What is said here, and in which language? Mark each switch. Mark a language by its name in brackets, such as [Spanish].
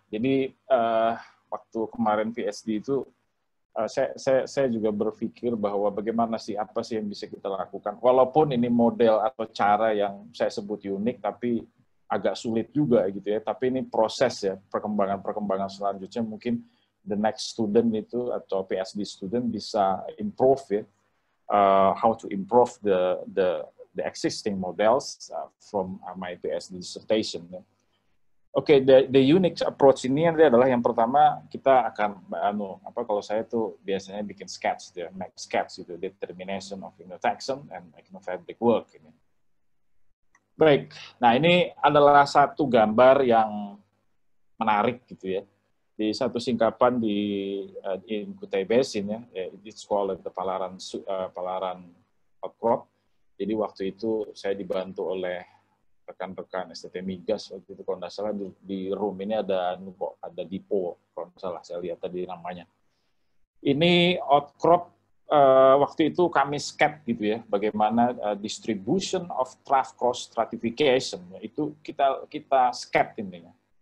[Indonesian] Jadi waktu kemarin PhD itu saya juga berpikir bahwa bagaimana sih, apa sih yang bisa kita lakukan. Walaupun ini model atau cara yang saya sebut unik, tapi agak sulit juga gitu ya. Tapi ini proses ya, perkembangan-perkembangan selanjutnya mungkin the next student itu atau PhD student bisa improve ya. [English] How to improve the existing models from my PhD dissertation ya. [Indonesian] Oke, okay, the unique approach ini adalah yang pertama kita akan kalau saya itu biasanya bikin sketch ya, make sketch itu determination of ignotaxon and ignofabric work ini. Baik. Nah, ini adalah satu gambar yang menarik gitu ya. Di satu singkapan di in Kutai Basin ya, it's called the Palaran Outcrop. Jadi waktu itu saya dibantu oleh rekan-rekan STT Migas waktu itu, kalau nggak salah di room ini ada depo, kalau nggak salah saya lihat tadi namanya. Ini outcrop waktu itu kami sketch gitu ya, bagaimana distribution of trough cross stratification itu kita sketch ini ya.